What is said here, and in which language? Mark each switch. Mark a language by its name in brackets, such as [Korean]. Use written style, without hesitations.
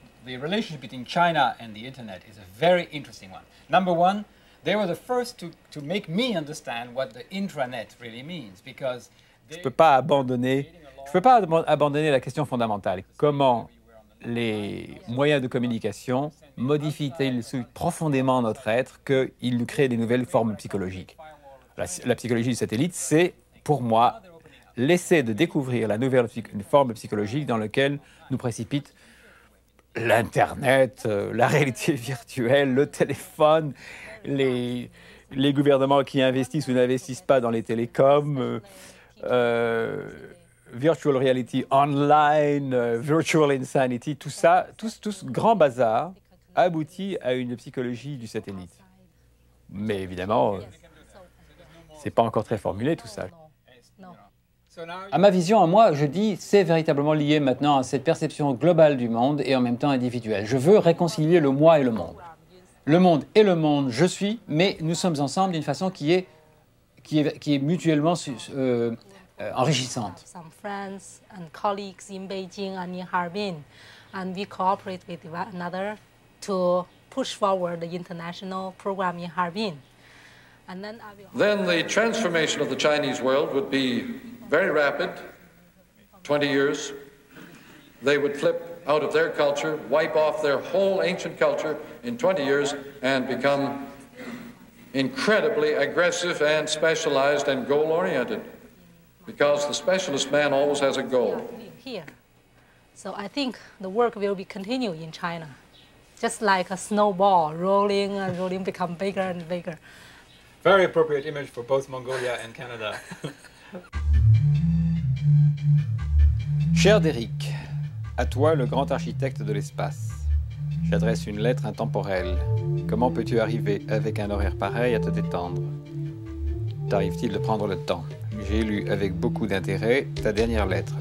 [English] The relationship between China and the internet is a very interesting one. Number one, they were the first to make me understand what the intranet really means, because [French] they... je peux pas abandonner la question fondamentale. Comment les moyens de communication modifient-ils profondément notre être qu'ils nous créent des nouvelles formes psychologiques? La psychologie du satellite, c'est pour moi l'essai de découvrir la nouvelle forme psychologique dans laquelle nous précipite l'Internet, la réalité virtuelle, le téléphone, les gouvernements qui investissent ou n'investissent pas dans les télécoms, virtual reality online, virtual insanity, tout ça, tout ce grand bazar aboutit à une psychologie du satellite. Mais évidemment... C'est pas encore très formulé tout ça. Non. À ma vision, à moi, je dis, c'est véritablement lié maintenant à cette perception globale du monde et en même temps individuelle. Je veux réconcilier le moi et le monde. Le monde et le monde, je suis, mais nous sommes ensemble d'une façon qui est mutuellement enrichissante. [English] Some friends and colleagues in Beijing and in Harbin, and we cooperate with one another to push forward the international program in Harbin. Then the transformation of the Chinese world would be very rapid, 20 years. They would flip out of their culture, wipe off their whole ancient culture in 20 years, and become incredibly aggressive and specialized and goal-oriented, because the specialist man always has a goal. Here. So I think the work will be continued in China, just like a snowball rolling and rolling, become bigger and bigger. Very appropriate image for both Mongolia and Canada. [French] Cher Derek, à toi le grand architecte de l'espace. J'adresse une lettre intemporelle. Comment peux-tu arriver avec un horaire pareil à te détendre? T'arrive-t-il de prendre le temps? J'ai lu avec beaucoup d'intérêt ta dernière lettre.